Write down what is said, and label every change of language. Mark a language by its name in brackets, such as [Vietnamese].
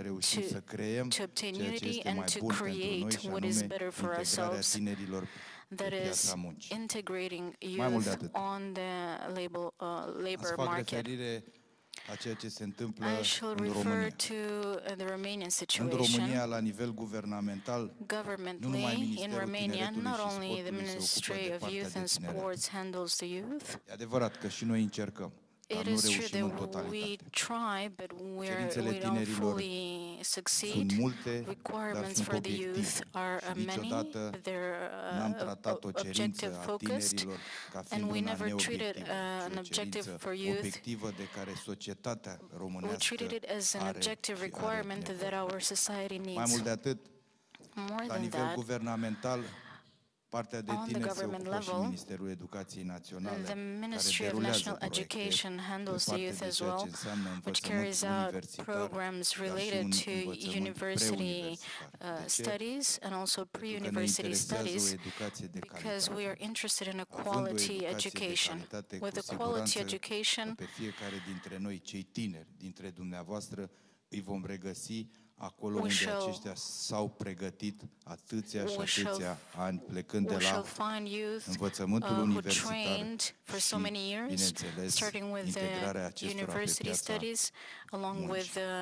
[English] to obtain unity and to create what is better for ourselves, that is integrating youth on the labor market. [Romanian] A ceea ce se întâmplă [English] I shall [Romanian] în [English] refer [Romanian] România. [English] To the Romanian situation. [Romanian] În România, la nivel guvernamental, [English] governmentally, [Romanian] nu [English] in Romania, not only [Romanian] sportului, [English] the Ministry of Youth and Sports handles the youth. [Romanian] E adevărat că și noi încercăm. [English] It is true that we try, but we don't fully succeed. Requirements for the youth are many, but they're objective focused, and we never treated an objective for youth. We treated it as an objective requirement that our society needs. More than that, [Romanian] partea de tine se ocupă și Ministerul Educației Naționale, [English] the Ministry of National Education handles the youth as well, which carries out programs related to university studies and also pre-university studies, because we are interested in a quality education. With a quality education, [Romanian] pe fiecare dintre noi, cei tineri, dintre dumneavoastră, îi vom regăsi acolo unde aceștia s-au pregătit atâția și atâția ani, plecând de la învățământul universitar și, bineînțeles, integrarea acestora pe piața muncii.